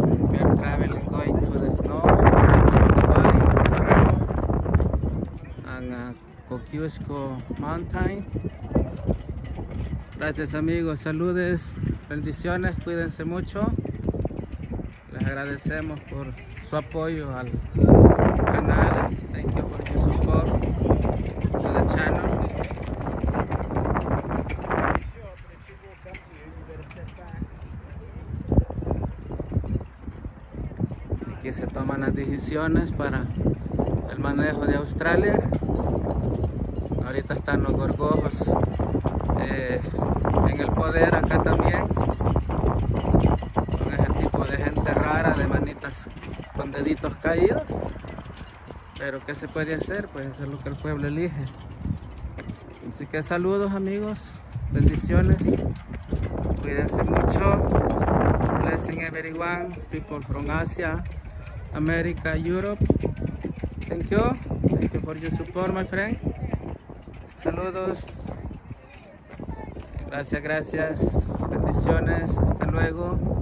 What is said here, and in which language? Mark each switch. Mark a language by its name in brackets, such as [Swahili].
[English] We are traveling, going to the snow, watching the bike, and Kosciuszko Mountain. [Spanish] Gracias amigos, saludes, bendiciones, cuídense mucho. Les agradecemos por su apoyo al canal. [English] Thank you for your support to the channel. [Spanish] Aquí se toman las decisiones para el manejo de Australia. Ahorita están los gorgojos en el poder acá también. Con ese tipo de gente rara, de manitas con deditos caídos. Pero ¿qué se puede hacer? Pues hacer lo que el pueblo elige. Así que saludos amigos, bendiciones, cuídense mucho. [English] Blessing everyone, people from Asia, America, Europe. Thank you for your support, my friend. [Spanish] Saludos. Gracias, gracias, bendiciones, hasta luego.